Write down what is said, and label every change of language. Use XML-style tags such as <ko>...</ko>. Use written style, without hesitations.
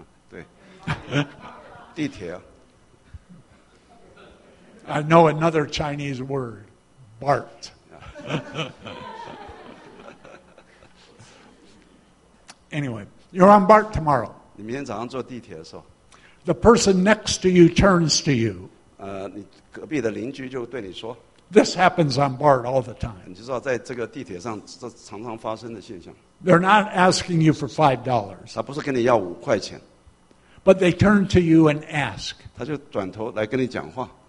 <zh>对。地铁。</zh> <en>I know another Chinese word, BART. Anyway, you're on BART tomorrow.</en> <zh>你明天早上坐地铁的时候。</zh> <en>The person next to you turns to you.</en> <zh>你隔壁的邻居就对你说</zh> <en>This happens on BART all the time.</en> <zh>你知道在这个地铁上这常常发生的现象。</zh> <en>They're not asking you for $5.</en> <zh>他不是跟你要五块钱。</zh> <en>But they turn to you and ask.</en> <zh>他就转头来跟你讲话。</zh>